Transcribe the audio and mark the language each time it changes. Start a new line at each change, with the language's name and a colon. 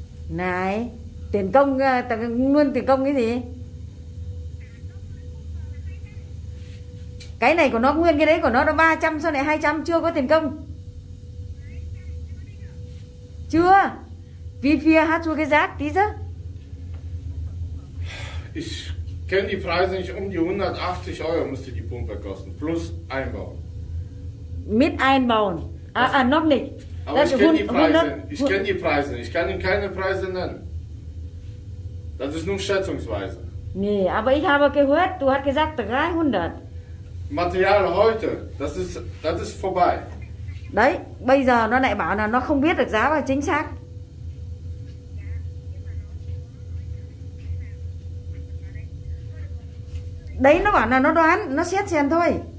Vietnamese: Này, tiền công, luôn tiền công cái gì? Cái này của nó nguyên, cái đấy của nó 300, sao lại 200, chưa có tiền công. Chưa, vì phía hát xuống cái giác tí chứ.
German: Ich kenne die Preise nicht, um die 180 Euro müsste die Pumpe kosten, plus einbauen. Mit einbauen, noch nicht. Aber ich kenne die Preise. Ich kann Ihnen keine Preise nennen. Das ist nur schätzungsweise. Nee, aber ich habe gehört, du hast gesagt 300. Material heute, das ist vorbei.
Vietnamese: Đấy, bây giờ nó lại bảo là nó không biết được giá và chính xác. Đấy, nó bảo là nó đoán, nó xét xem thôi.